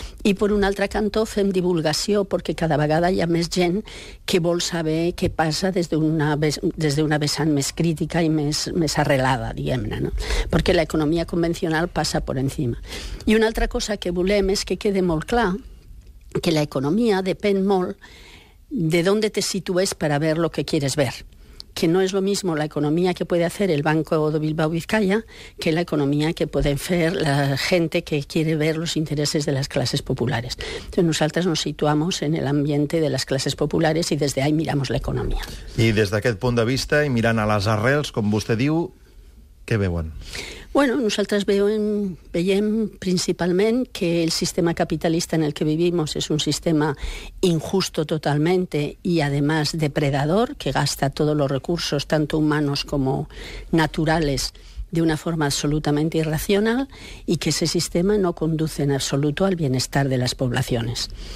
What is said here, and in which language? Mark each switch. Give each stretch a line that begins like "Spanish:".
Catalan: I per un altre cantó fem divulgació, perquè cada vegada hi ha més gent que vol saber què passa des d'una vessant més crítica i més arrelada, diguem-ne, no? Perquè l'economia convencional passa per encima. I una altra cosa que volem és que quede molt clar que l'economia depèn molt de d'on te situes per a veure el que quieres veure.
Spanish: Que no és lo mismo la economia que puede hacer el Banco de Bilbao Vizcaya que la economia que pueden fer la gente que quiere ver los intereses de las clases populares. Entonces nosaltres nos situamos en el ambiente de las clases populares y desde ahí miramos la economia.
Catalan: I des d'aquest punt de vista, i mirant a les arrels, com vostè diu, què veuen?
Spanish: Bueno,
Catalan: nosaltres veiem principalment
Spanish: que el sistema capitalista en el que vivimos es un sistema injusto totalmente y además depredador, que gasta todos los recursos, tanto humanos como naturales, de una forma absolutamente irracional, y que ese sistema no conduce en absoluto al bienestar de las poblaciones.